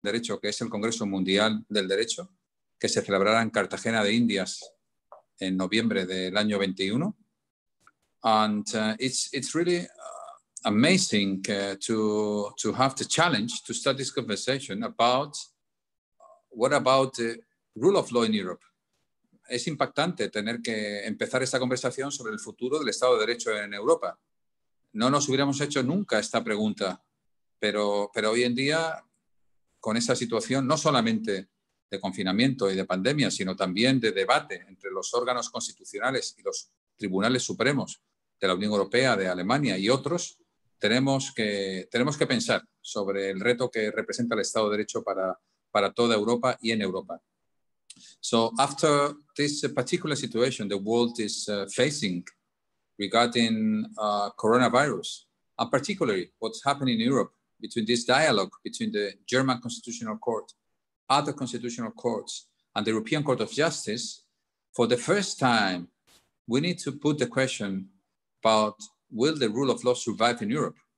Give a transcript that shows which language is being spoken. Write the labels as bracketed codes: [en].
[es] Derecho, que es el Congreso Mundial del Derecho, que se celebrará en Cartagena de Indias en noviembre del año 21. [en] And it's really amazing to have the challenge to start this conversation about what about the rule of law in Europe. [es] Es impactante tener que empezar esta conversación sobre el futuro del Estado de Derecho en Europa. No nos hubiéramos hecho nunca esta pregunta, pero hoy en día, con esa situación no solamente de confinamiento y de pandemia, sino también de debate entre los órganos constitucionales y los tribunales supremos de la Unión Europea, de Alemania y otros, tenemos que pensar sobre el reto que representa el Estado de Derecho para toda Europa y en Europa. [en] So after this particular situation the world is facing regarding coronavirus, and particularly what's happening in Europe between this dialogue between the German Constitutional Court, other constitutional courts, and the European Court of Justice, for the first time, we need to put the question about will the rule of law survive in Europe?